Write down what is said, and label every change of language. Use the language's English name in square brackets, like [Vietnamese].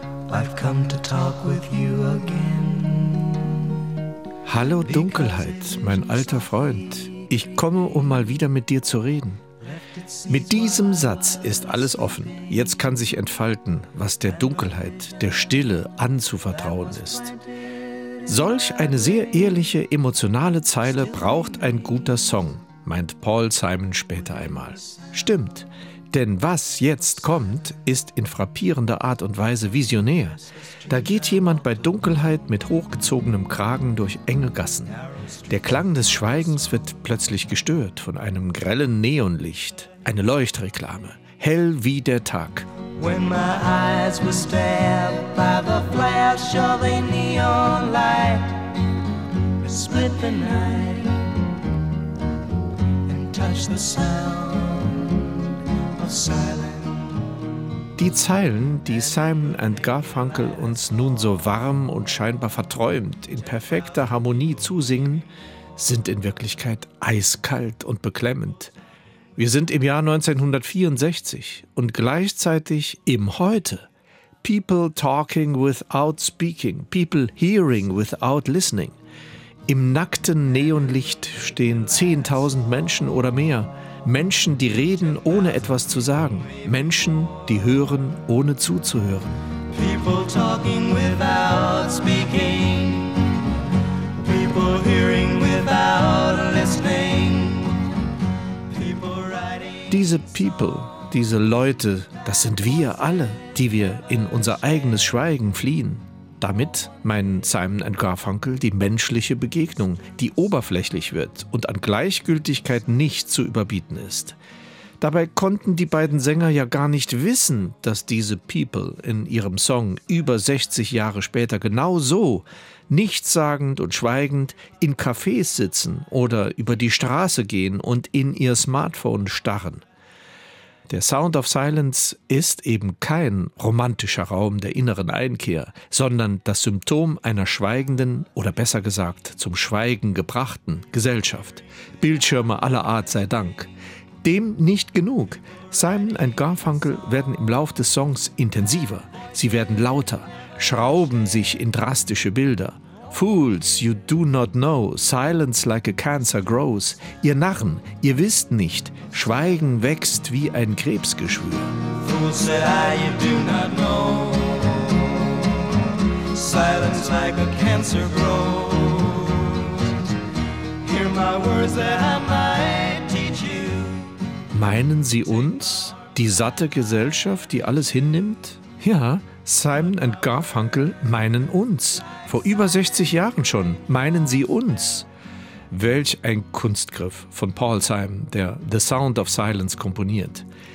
[English] I've come to talk with you again. [German] Hallo Dunkelheit, mein alter Freund. Ich komme, um mal wieder mit dir zu reden. Mit diesem Satz ist alles offen. Jetzt kann sich entfalten, was der Dunkelheit, der Stille anzuvertrauen ist. Solch eine sehr ehrliche, emotionale Zeile braucht ein guter Song, meint Paul Simon später einmal. Stimmt, denn was jetzt kommt, ist in frappierender Art und Weise visionär. Da geht jemand bei Dunkelheit mit hochgezogenem Kragen durch enge Gassen. Der Klang des Schweigens wird plötzlich gestört von einem grellen Neonlicht, eine Leuchtreklame, hell wie der Tag. [English] When my eyes were stabbed by the flash of a neon light, it split the night and touched the sound of silence. [German] Die Zeilen, die Simon and Garfunkel uns nun so warm und scheinbar verträumt in perfekter Harmonie zusingen, sind in Wirklichkeit eiskalt und beklemmend. Wir sind im Jahr 1964 und gleichzeitig im Heute. [English] People talking without speaking, people hearing without listening. [German] Im nackten Neonlicht stehen 10.000 Menschen oder mehr. Menschen, die reden, ohne etwas zu sagen. Menschen, die hören, ohne zuzuhören. [English] People talking without speaking. People hearing without listening. People writing. [German] Diese People, diese Leute, das sind wir alle, die wir in unser eigenes Schweigen fliehen. Damit meinen Simon and Garfunkel die menschliche Begegnung, die oberflächlich wird und an Gleichgültigkeit nicht zu überbieten ist. Dabei konnten die beiden Sänger ja gar nicht wissen, dass diese People in ihrem Song über 60 Jahre später genau so, nichtssagend und schweigend, in Cafés sitzen oder über die Straße gehen und in ihr Smartphone starren. Der Sound of Silence ist eben kein romantischer Raum der inneren Einkehr, sondern das Symptom einer schweigenden oder besser gesagt zum Schweigen gebrachten Gesellschaft. Bildschirme aller Art sei Dank. Dem nicht genug. Simon und Garfunkel werden im Lauf des Songs intensiver. Sie werden lauter, schrauben sich in drastische Bilder. [English] Fools, you do not know, silence like a cancer grows. [German] Ihr Narren, ihr wisst nicht, Schweigen wächst wie ein Krebsgeschwür. [English] Fools said I, you do not know, silence like a cancer grows. Hear my words that I might teach you. [German] Meinen Sie uns, die satte Gesellschaft, die alles hinnimmt? Ja, Simon and Garfunkel meinen uns. Vor über 60 Jahren schon meinen sie uns. Welch ein Kunstgriff von Paul Simon, der The Sound of Silence komponiert.